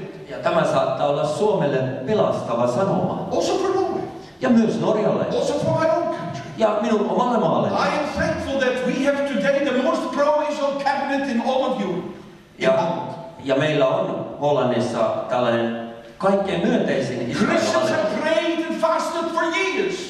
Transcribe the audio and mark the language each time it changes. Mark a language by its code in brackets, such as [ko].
[fi] Ja tämä saattaa olla Suomelle pelastava sanoma. [en] Also for Norway. [fi] Ja myös Norjalle. [en] Also for my own country. [fi] Ja minun omalle maalle. [en] I am thankful that we have today the most pro-Israel cabinet in all of Europe. [fi] Ja meillä on Hollannissa tällainen kaikkein myönteisin [en] Christians have prayed and fasted for years.